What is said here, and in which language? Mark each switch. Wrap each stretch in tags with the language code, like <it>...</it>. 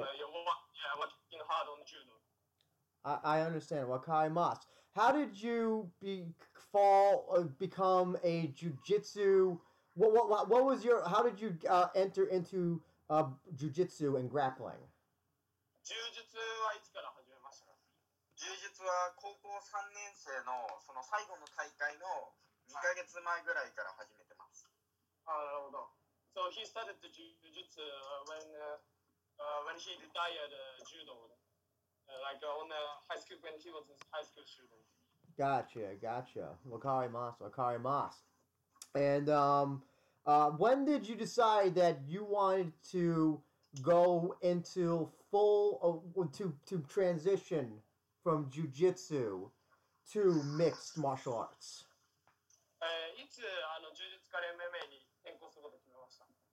<en>Working hard on judo. I understand. Wakai Mas. How did you become a jiu-jitsu? What was your? How did you enter into jiu-jitsu and grappling?</en> <ja>Jiu-jitsu はいつから始めましたか? 柔術は高校3年生のその最後の大会の2ヶ月前ぐらいから始めてます。あ、なるほど。</ja> <en>So he started the jiu-jitsu when he retired judo. Like on high school when he was a high school student. Gotcha.</en> <ja>Wakarimasu.</ja> <en>And when did you decide that you wanted to go into full to transition from jiu-jitsu to mixed martial arts?</en> <ja>いつあの柔術から MMA に転向すること決めました。</ja>